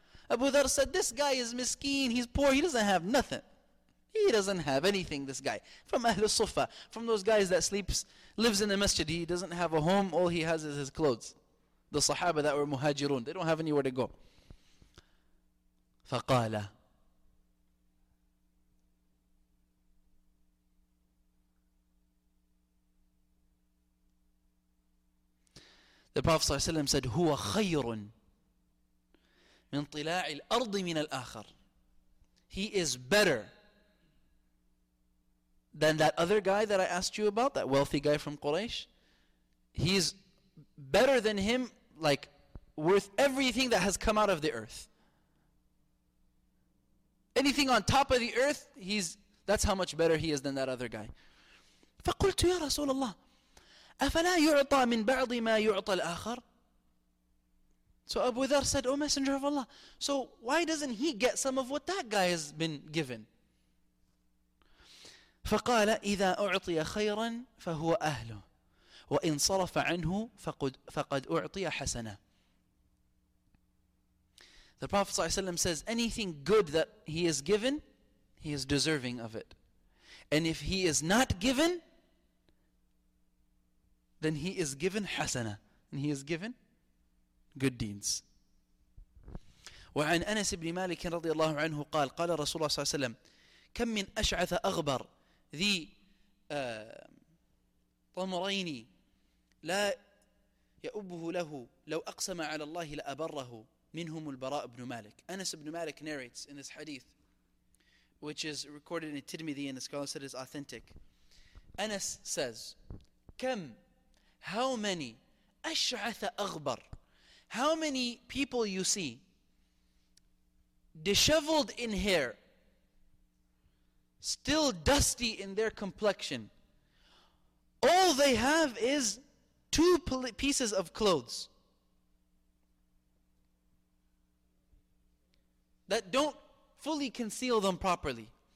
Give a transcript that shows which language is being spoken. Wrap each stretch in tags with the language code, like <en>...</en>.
<en>Abu Dharr said, this guy is miskeen, he's poor, he doesn't have nothing. He doesn't have anything, this guy. From</en> <ar>أَهْلِ الصُّفَّةِ,</ar> <en>from those guys that lives in the masjid, he doesn't have a home, all he has is his clothes. The Sahaba that were muhajirun, they don't have anywhere to go.</en> <ar>فَقَالَ</ar> <en>The Prophet ﷺ said,</en> <ar>هو خير من طلاع الأرض من الآخر.</ar> <en>He is better than that other guy that I asked you about, that wealthy guy from Quraysh. He is better than him, like worth everything that has come out of the earth. Anything on top of the earth, that's how much better he is than that other guy.</en> <ar>فقلت يا رسول الله أَفَلَا يُعْطَى مِنْ بَعْضِ مَا يُعْطَى الْآخَرِ.</ar> <en>So Abu Dharr said, O Messenger of Allah, so why doesn't he get some of what that guy has been given?</en> <ar>فَقَالَ إِذَا أُعْطِيَ خَيْرًا فَهُوَ أَهْلُهُ وَإِنْ صَرَفَ عَنْهُ فَقَدْ أُعْطِيَ حَسَنًا.</ar> <en>The Prophet ﷺ says, anything good that he is given, he is deserving of it. And if he is not given, then he is given حسنة, and he is given good deeds.</en> <ar>وعن أنس بن مالك رضي الله عنه قال قال رسول الله صلى الله عليه وسلم كم من أشعث أغبر ذي طمرين لا يأبه له لو أقسم على الله لأبره منهم البراء بن مالك.</ar> <en>أنس بن مالك narrates in this hadith, which is recorded in Tirmidhi and the scholar said is authentic. Anas says, كم, how many,</en> <ar>أشعث أغبر,</ar> <en>how many people you see disheveled in hair, still dusty in their complexion, all they have is two pieces of clothes that don't fully conceal them properly.</en>